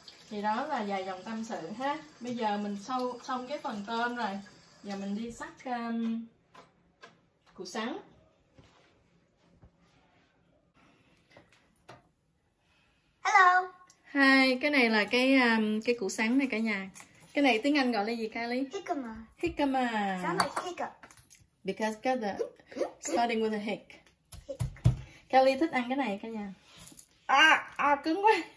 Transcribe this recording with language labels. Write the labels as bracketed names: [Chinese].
[Vietnamese] Thì đó là vài dòng tâm sự ha. Bây giờ mình xong cái phần tôm rồi, giờ mình đi sắt củ sắn. [English] Hello. [Vietnamese] Hi, cái này là cái củ sắn này cả nhà. Cái này tiếng Anh gọi là gì Kylie? [English] Hickama. Sounds like hiccup. Because got the starting with a hick. [Vietnamese] Kylie thích ăn cái này cả nhà. Cứng quá.